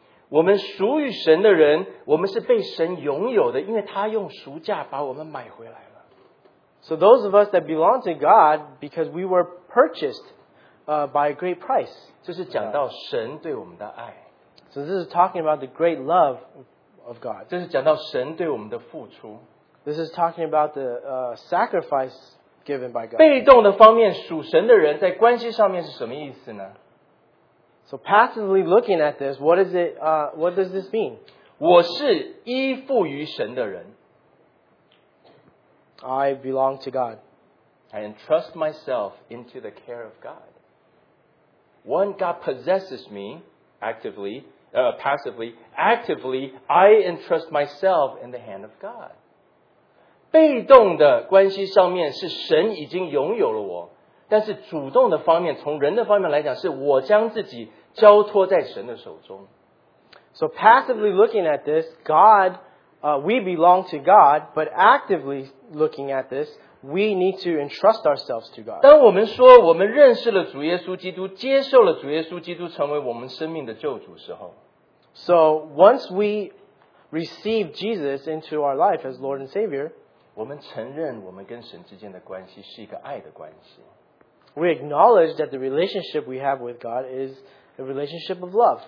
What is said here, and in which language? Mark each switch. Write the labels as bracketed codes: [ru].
[zh] 我们属于神的人，我们是被神拥有的，因为他用赎价把我们买回来了。 [en] So those of us that belong to God, because we were purchased by a great price. [zh] 这是讲到神对我们的爱。 [en] So this is talking about the great love of God. [zh] 这是讲到神对我们的付出。 [en] This is talking about the sacrifice given by God. [zh] 被动的方面，属神的人在关系上面是什么意思呢？ [en] So passively looking at this, what is it, what does this mean? [zh] 我是依附于神的人。 [en] I belong to God. I entrust myself into the care of God. When God possesses me actively, passively, I entrust myself in the hand of God. [zh] 被动的关系上面是神已经拥有了我。但是主动的方面，从人的方面来讲，是我将自己交托在神的手中。 [en] So passively looking at this, God, we belong to God, but actively looking at this, we need to entrust ourselves to God. [zh] 当我们说我们认识了主耶稣基督，接受了主耶稣基督成为我们生命的救主时候 [en] ，So once we receive Jesus into our life as Lord and Savior, [zh] 我们承认我们跟神之间的关系是一个爱的关系。 [en] We acknowledge that the relationship we have with God is a relationship of love.